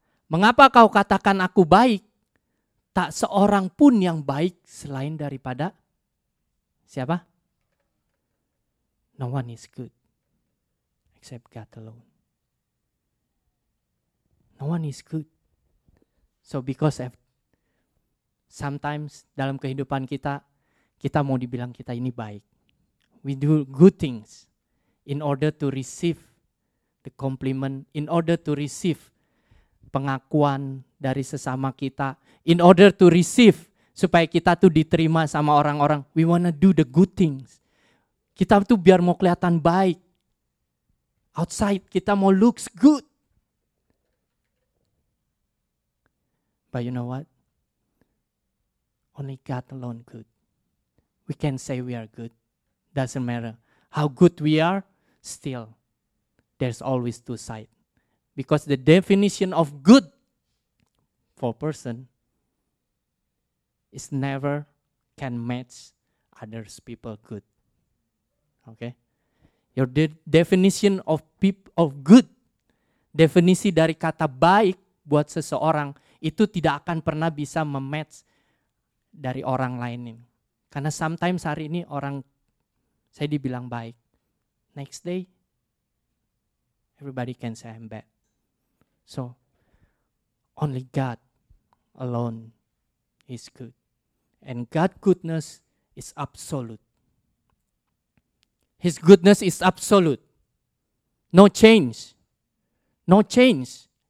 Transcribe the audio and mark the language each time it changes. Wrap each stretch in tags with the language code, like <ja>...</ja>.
<id>Mengapa kau katakan aku baik? Tak seorang pun yang baik selain daripada siapa?</id> <en>No one is good except God alone. No one is good. So because sometimes</en> <id>dalam kehidupan kita, kita mau dibilang kita ini baik.</id> <en>We do good things in order to receive the compliment, in order to receive</en> <id>pengakuan dari sesama kita,</id> <en>in order to receive</en> <id>supaya kita tuh diterima sama orang-orang.</id> <en>We wanna do the good things.</en> <id>Kita tuh biar mau kelihatan baik.</id> <en>Outside,</en> <id>kita mau</id> <en>looks good. But you know what? Only God alone good. We can say we are good. Doesn't matter how good we are. Still, there's always two sides. Because the definition of good for person is never can match other people good. Okay? Your definition of good,</en> <id>definisi dari kata baik buat seseorang, itu tidak akan pernah bisa mematch dari orang lain. Karena sometimes hari ini orang saya dibilang baik.</id> <en>Next day, everybody can say I'm bad. So, only God alone is good. And God's goodness is absolute. His goodness is absolute. No change. No change.</en>